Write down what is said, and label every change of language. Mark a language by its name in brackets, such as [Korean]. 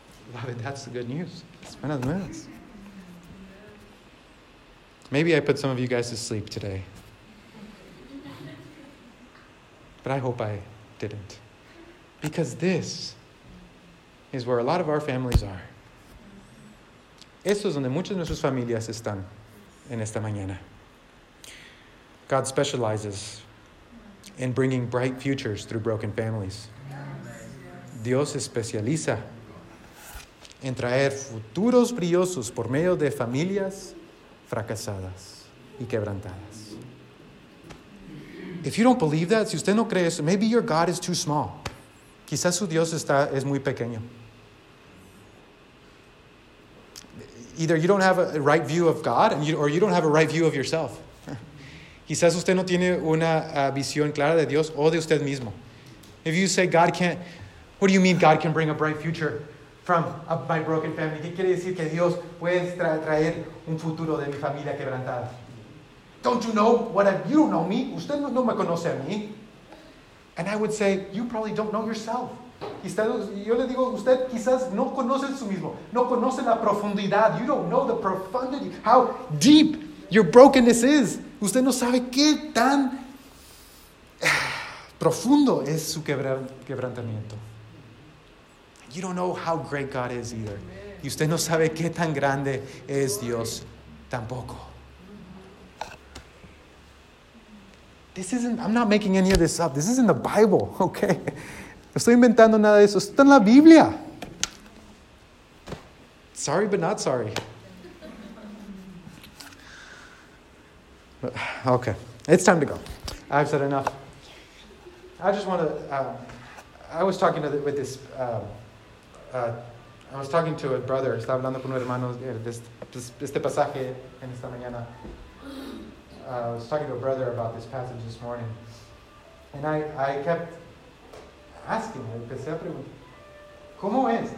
[English] Beloved, that's the good news. It's [Spanish] buenas nuevas. [English] Maybe I put some of you guys to sleep today. But I hope I didn't. Because this is where a lot of our families are. [Spanish] Esto es donde muchas de nuestras familias están en esta mañana. [English] God specializes in bringing bright futures through broken families. [Spanish] Dios especializa en traer futuros brillosos por medio de familias fracasadas y quebrantadas. [English] If you don't believe that, [Spanish] si usted no cree eso, [English] maybe your God is too small. [Spanish] Quizás su Dios es muy pequeño. [English] Either you don't have a right view of God, or you don't have a right view of yourself. [Spanish] Quizás usted no tiene una visión clara de Dios o de usted mismo. [English] If you say God can't, what do you mean God can bring a bright future from my broken family? [Spanish] ¿Qué quiere decir que Dios puede traer un futuro de mi familia quebrantada? [English] Don't you know what you don't know me? [Spanish] Usted no me conoce a mí. [English] And I would say, you probably don't know yourself. [Spanish] Yo le digo, usted quizás no conoce su mismo, no conoce la profundidad. [English] You don't know the profundity, how deep your brokenness is. [Spanish] Usted no sabe qué tan profundo es su quebrantamiento. [English] You don't know how great God is either. [Spanish] Y usted no sabe qué tan grande es Dios tampoco. [English] I'm not making any of this up. This is in the Bible, okay? [Spanish] No estoy inventando nada de eso. Está en la Biblia. [English] Sorry, but not sorry. Okay, it's time to go. I've said enough. I just want to. I was talking to a brother. [Spanish] Estaba hablando con un hermano de este pasaje en esta mañana. [English] was talking to a brother about this passage this morning, and I kept asking him, [Spanish] empecé a preguntar, ¿cómo es?